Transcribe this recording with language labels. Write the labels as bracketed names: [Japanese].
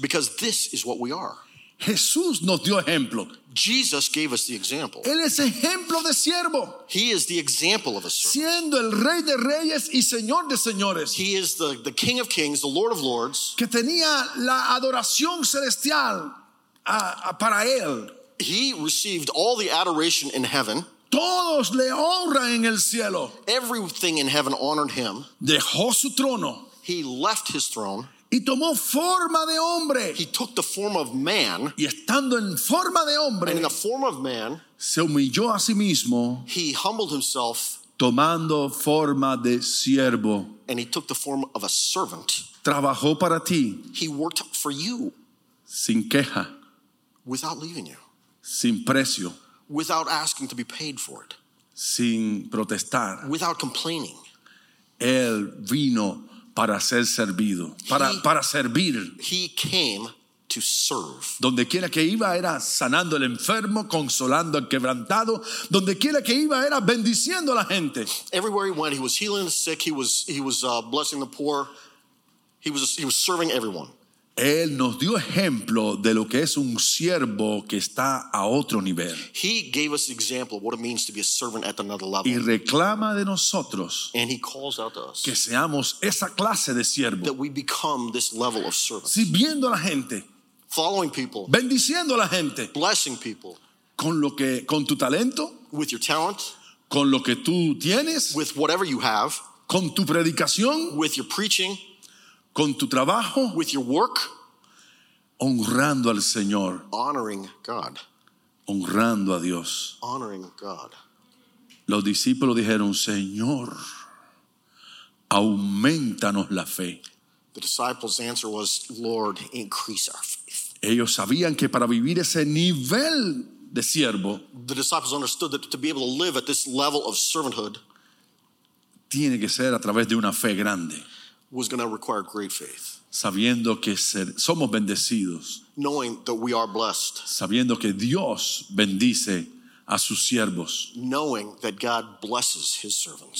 [English] Because this is what we are. [Spanish] Jesús nos dio ejemplo. [English] Jesus gave us the example. [Spanish] Él es ejemplo de siervo. [English] He is the example of a servant. [Spanish] Siendo el rey de reyes y señor de señores. [English] He is the king of kings, the lord of lords. [Spanish] Que tenía la adoración celestial para él. [English] He received all the adoration in heaven. [Spanish] Todos le honran en el cielo. [English] Everything in heaven honored him. [Spanish] Dejó su trono. [English] He left his throne. [Spanish] Y tomó forma de hombre. [English] He took the form of man. [Spanish] Y estando en forma de hombre. [English] And in the form of man. [Spanish] Se humilló a sí mismo. [English] He humbled himself. [Spanish] Tomando forma de siervo. [English] And he took the form of a servant. [Spanish] Trabajó para ti. [English] He worked for you. [Spanish] Sin queja. [English] Without leaving you. [Spanish] Sin precio. [English] Without asking to be paid for it. [Spanish] Sin protestar. [English] Without complaining. [Spanish] Él vino para ser servido, para servir. [English] He came to serve. [Spanish] Donde quiera que iba era sanando el enfermo, consolando al quebrantado. Donde quiera que iba era bendiciendo a la gente. [English] Everywhere he went, he was healing the sick. He was blessing the poor. He was serving everyone. [Spanish] Él nos dio ejemplo de lo que es un siervo que está a otro nivel. [English] He gave us example of what it means to be a servant at another level. [Spanish] Y reclama de nosotros. [English] And he calls out to us. [Spanish] Que seamos esa clase de siervo. [English] That we become this level of servant. [Spanish] Sirviendo a la gente. [English] Following people. [Spanish] Bendiciendo a la gente. [English] Blessing people. [Spanish] Con tu talento. [English] With your talent. [Spanish] Con lo que tú tienes. [English] With whatever you have. [Spanish] Con tu predicación. [English] With your preaching. [Spanish] Con tu trabajo, [English] with your work, [Spanish] honrando al Señor, [English] honoring God, [Spanish] honrando a Dios, [English] honoring God. [Spanish] Los discípulos dijeron, Señor, aumentanos la fe. [English] The disciples' answer was, Lord, increase our faith. [Spanish] Ellos sabían que para vivir ese nivel de siervo, [English] the disciples understood that to be able to live at this level of servanthood, [Spanish] tiene que ser a través de una fe grande. [English] Was going to require great faith. [Spanish] Sabiendo que somos bendecidos. [English] Knowing that we are blessed. [Spanish] Sabiendo que Dios bendice a sus siervos. [English] Knowing that God blesses his servants.